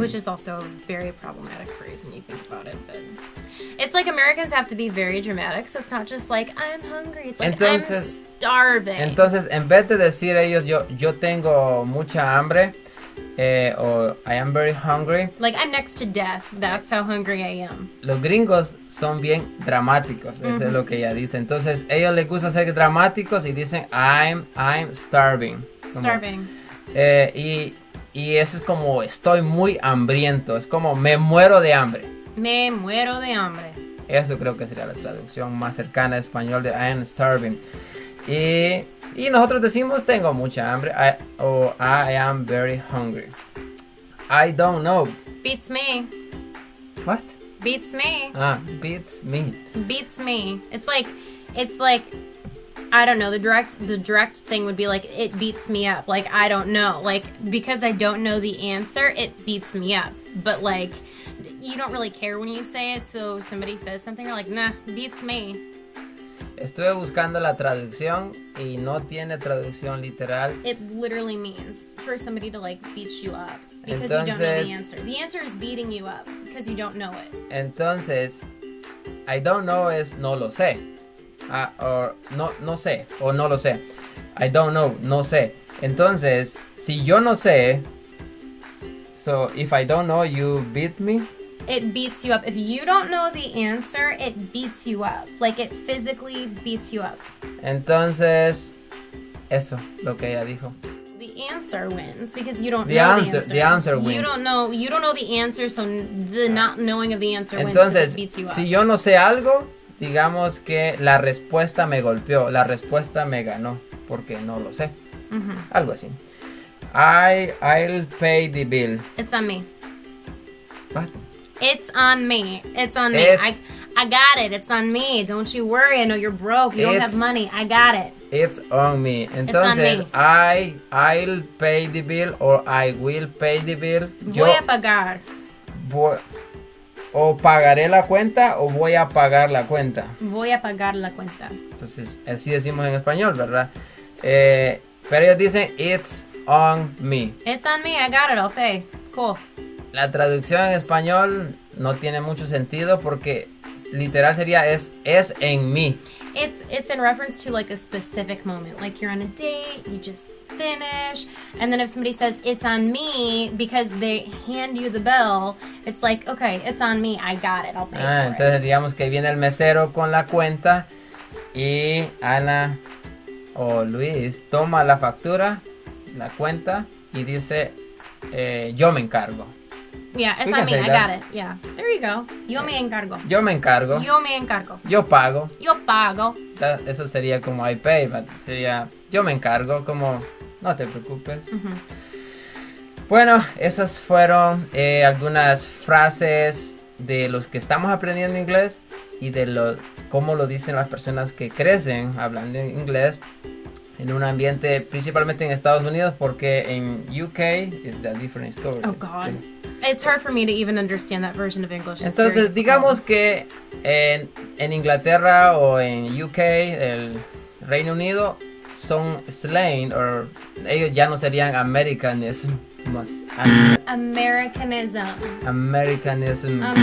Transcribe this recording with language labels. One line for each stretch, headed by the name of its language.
English: Which is also a very problematic phrase when you think about it, but... It's like Americans have to be very dramatic, so it's not just like, I'm hungry, it's like,
Spanish: entonces,
English: I'm starving.
Spanish: Entonces, en vez de decir ellos, yo tengo mucha hambre, o
English: I am very hungry... Like, I'm next to death, that's how hungry I am.
Spanish: Los gringos son bien dramáticos, mm-hmm. Eso es lo que ella dice. Entonces, ellos les gusta ser dramáticos y dicen,
English: I'm starving.
Spanish: Como,
English: starving.
Spanish: Y eso es como, estoy muy hambriento, es como, me muero de hambre. Me muero de hambre. Eso creo que sería la traducción más cercana a español de
English: I am starving. Y nosotros decimos,
Spanish: tengo mucha hambre,
English: I am very hungry. I don't know. Beats me. What? Beats me. Beats me. Beats me. It's like, I don't know, the direct thing would be like, it beats me up. Like, I don't know. Like, because I don't know the answer, it beats me up. But like... You don't really care when you say it, so somebody says something, you're like, nah, beats me.
Spanish: Estuve buscando la traducción y no tiene traducción literal.
English: It literally means for somebody to, like, beat you up because
Spanish: entonces,
English: you don't know the answer. The answer is beating you up because you don't know it.
Spanish: Entonces,
English: I don't know
Spanish: es no lo sé. No lo sé.
English: I don't know,
Spanish: no sé. Entonces, si yo no sé,
English: so if I don't know, you beat me. It beats you up. If you don't know the answer, it beats you up. Like, it physically beats you up.
Spanish: Entonces, eso, lo que ella dijo.
English: The answer wins, because you don't know answer, the answer. The answer wins. You don't know the answer, so the not knowing of the answer wins, it beats you up.
Spanish: Entonces, si yo no sé algo, digamos que la respuesta me golpeó, la respuesta me ganó, porque no lo sé. Mm-hmm. Algo así.
English: I'll pay the bill. It's on me. What? It's on me. It's on me. I got it. It's on me. Don't you worry. I know you're broke. You don't have money. I got it. It's on me.
Spanish: Entonces,
English: it's on me. I'll pay the bill or I will pay the bill.
Spanish: Voy a pagar. O pagaré la cuenta o voy a pagar la cuenta. Voy a pagar la cuenta. Entonces, así decimos en español, ¿verdad? Pero ellos dicen,
English: it's on me. It's on me. I got it. I'll pay. Cool.
Spanish: La traducción en español no tiene mucho sentido porque literal sería es en mí.
English: It's in reference to like a specific moment. Like you're on a date, you just finish, and then if somebody says it's on me because they hand you the bill, it's like, okay, it's on me, I got it, I'll pay for
Spanish: Entonces digamos que viene el mesero con la cuenta y Ana o Luis toma la factura, la cuenta, y dice yo me encargo.
English: Yeah, it's not me. I got it. Yeah. There you go.
Spanish: Yo me encargo. Yo me encargo. Yo me encargo. Yo pago. Yo pago. Eso sería como
English: I pay,
Spanish: but sería yo me encargo, como no te preocupes. Mm-hmm. Bueno, esas fueron algunas frases de los que estamos aprendiendo inglés y de los cómo lo dicen las personas que crecen hablando inglés en un ambiente, principalmente en Estados Unidos, porque en UK
English: is a different story. Oh, God. It's hard for me to even understand that version of English.
Spanish: Entonces, digamos que en Inglaterra o en UK, el Reino Unido, son slang, or ellos ya no serían Americanism.
English: Americanism.